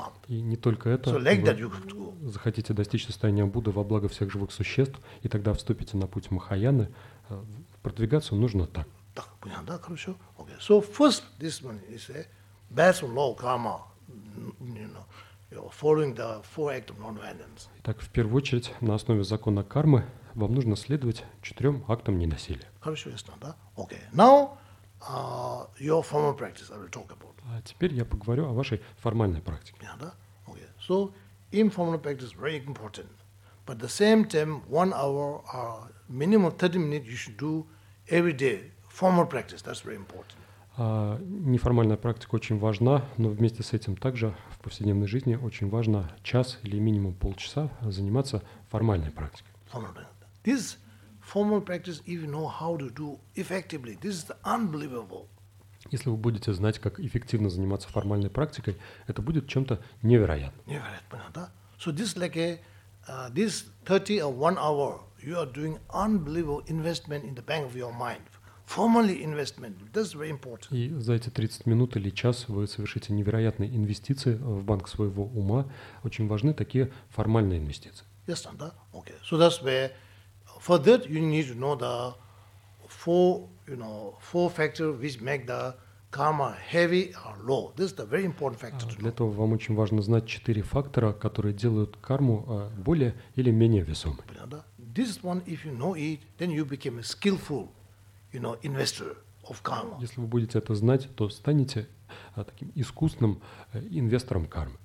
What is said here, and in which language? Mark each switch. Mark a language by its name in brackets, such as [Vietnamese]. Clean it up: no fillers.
[Russian] И не только это, захотите достичь состояния Будды во благо всех живых существ, и тогда вступите на путь Махаяны. Продвигаться нужно так. Так, понятно, да, хорошо? Okay. [English] So first, this one is a basic law of karma, you know, following the four acts of non-violence. [Russian] Итак, в первую очередь, на основе закона кармы, вам нужно следовать четырем актам ненасилия. Хорошо, ясно, да? Okay. [English] Now, your formal practice I will talk about. [Russian] А теперь я поговорю о вашей формальной практике. [English] Yeah, да? Okay. So informal practice is very important. But at the same time, 1 hour or minimum 30 minutes you should do every day. Formal practice, that's very important. [Russian] Неформальная практика очень важна, но вместе с этим также в повседневной жизни очень важно час или минимум полчаса заниматься формальной практикой. [English] Formal practice. This formal practice, if you know how to do effectively, this is unbelievable. [Russian] Если вы будете знать, как эффективно заниматься формальной практикой, это будет чем-то невероятным. Невероятно, да? [English] So this like a this 30 or 1 hour, you are doing unbelievable investment in the bank of your mind. Formally investment. That's very important. [Russian] И за эти 30 минут или час вы совершите невероятные инвестиции в банк своего ума. Очень важны такие формальные инвестиции. [English] Yes, да? Okay. So that's where for that you need to know the four factors which make the karma heavy or low. This is the very important factor. [Russian] Для этого вам очень важно знать четыре фактора, которые делают карму более или менее весомой. [English] This one, if you know it, then you become a skillful, you know, investor of karma. [Russian] Если вы будете это знать, то станете таким искусным инвестором кармы.